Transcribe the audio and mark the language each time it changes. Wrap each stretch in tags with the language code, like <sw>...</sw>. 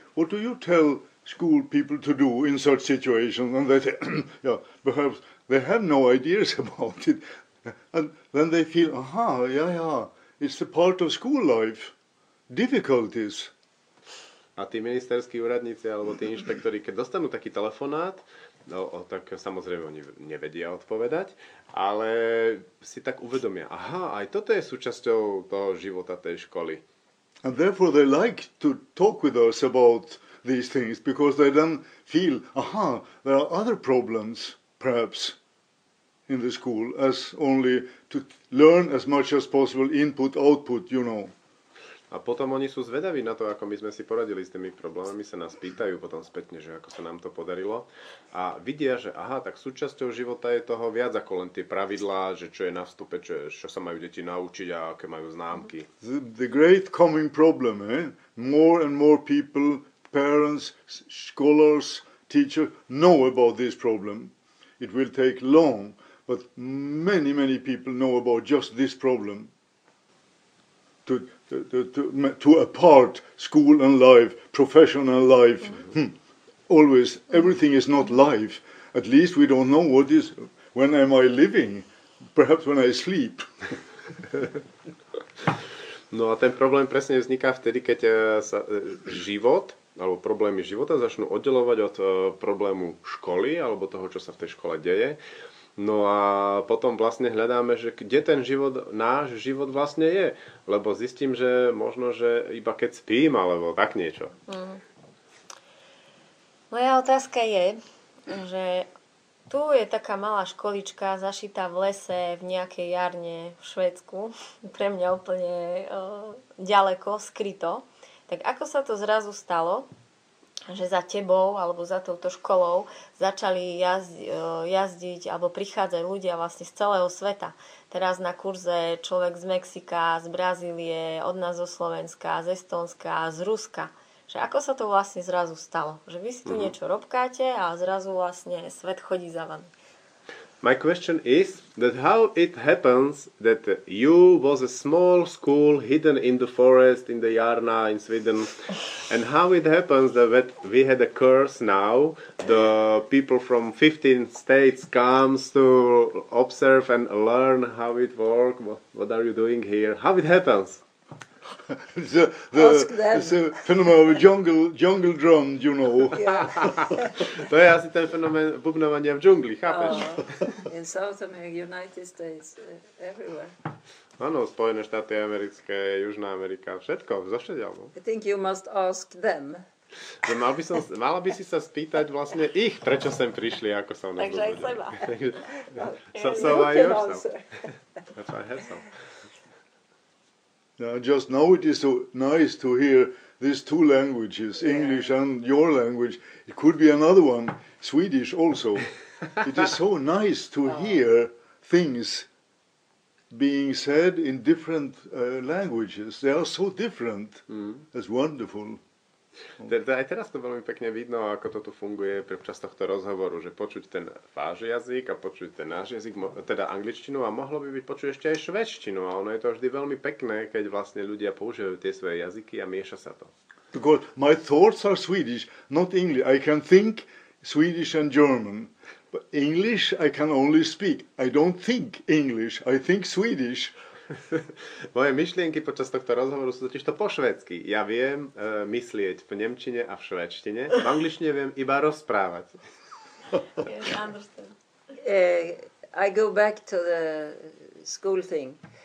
<en>What do you tell school people to do in such situations? And they say, yeah, perhaps they have no ideas about it. And then they feel, aha, yeah, it's a part of school life. Difficulties.</en> <sk>A tí ministerskí úradníci alebo tí inšpektori, keď dostanú taký telefonát, tak samozrejme oni nevedia odpovedať, ale si tak uvedomia, aha, aj toto je súčasťou toho života tej školy.</sk> <en>And therefore they like to talk with us about these things, because they then feel, aha, there are other problems, perhaps, in the school, as only to learn as much as possible, input, output, you know.</en> <sk>A potom oni sú zvedaví na to, ako my sme si poradili s tými problémami, sa nás pýtajú potom spätne, že ako sa nám to podarilo. A vidia, že aha, tak súčasťou života je toho viac ako len tie pravidlá, že čo je na vstupe, čo sa majú deti naučiť a aké majú známky.</sk> <en>The great coming problem, eh? More and more people, parents, scholars, teachers know about this problem. It will take long, but many, many people know about just this problem. To apart school and life, professional life, always everything is not life. At least we don't know what is, when am I living, perhaps when I sleep.</en> <sk>No a ten problém presne vzniká vtedy, keď sa život alebo problémy života začnú oddeľovať od problému školy alebo toho, čo sa v tej škole deje. No a potom vlastne hľadáme, že kde ten život, náš život vlastne je. Lebo zistím, že možno, že iba keď spím, alebo tak niečo. Mm. Moja otázka je, že tu je taká malá školička zašitá v lese v nejakej jarne v Švédsku. Pre mňa úplne ďaleko, skryto. Tak ako sa to zrazu stalo, že za tebou alebo za touto školou začali jazdiť alebo prichádzajú ľudia vlastne z celého sveta. Teraz na kurze človek z Mexika, z Brazílie, od nás zo Slovenska, z Estónska, z Ruska. Že ako sa to vlastne zrazu stalo? Že vy si tu niečo robkáte a zrazu vlastne svet chodí za vami.</sk> <en>My question is that how it happens that you was a small school hidden in the forest in the Jarna in Sweden, and how it happens that we had a curse now, the people from 15 states comes to observe and learn how it works, what are you doing here, how it happens? It's a phenomenon of jungle drum, you know.</en> <sk>To je asi ten fenomén bubnovania v džungli, chápeš?</sk> <en>In South America, United States, everywhere.</en> <sk>Áno, Spojené štáty americké, Južná Amerika, všetko, zovšadiaľ.</sk> <en>I think you must ask them.</en> <sk>Mala by si sa spýtať vlastne ich, prečo sem prišli, ako sa mnou zúbodili. Takže aj seba.</sk> <en>So you can yourself. Answer. That's why I have some. Now, just now it is so nice to hear these two languages, English and your language. It could be another one, Swedish also. It is so nice to hear things being said in different languages. They are so different. Mm. That's wonderful.</en> <sk>Aj teraz to veľmi pekne vidno, ako to tu funguje pri občas tohto rozhovoru, že počuť ten váš jazyk a počuť ten náš jazyk, teda angličtinu, a mohlo by byť počuť ešte aj švédštinu, a ono je to vždy veľmi pekné, keď vlastne ľudia používajú tie svoje jazyky a mieša sa to.</sk> <en>Because my thoughts are Swedish, not English. I can think Swedish and German. But English I can only speak. I don't think English, I think Swedish.</en> <sk>Moje myšlienky počas tohto rozhovoru sú totiž to po švédsky. Ja viem myslieť v nemčine a v švédštine. V angličtine viem iba rozprávať.</sk> <en>I go back to the school thing.</en>